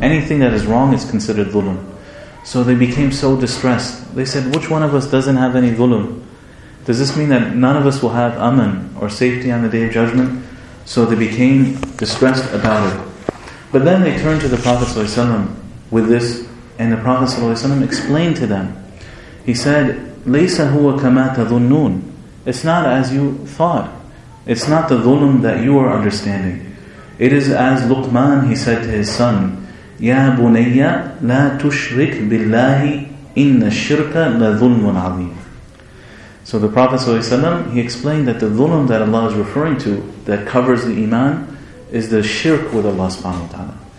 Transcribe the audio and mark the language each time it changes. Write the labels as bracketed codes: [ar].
[en] Anything that is wrong is considered dhulm. So they became so distressed. They said, which one of us doesn't have any dhulm? Does this mean that none of us will have aman or safety on the Day of Judgment? So they became distressed about it. But then they turned to the Prophet ﷺ with this, and the Prophet ﷺ explained to them. He said, [ar] لَيْسَ هُوَ كَمَا تَظُنُّونَ. [en] It's not as you thought. It's not the dhulm that you are understanding. It is as Luqman, he said to his son, [ar] يَا بُنَيَّ لَا تُشْرِكْ بِاللَّهِ إِنَّ الشِّرْكَ لَظُلْمٌ عَظِيمٌ. [en] So the Prophet ﷺ, he explained that the dhulm that Allah is referring to that covers the iman is the shirk with Allah subhanahu wa ta'ala.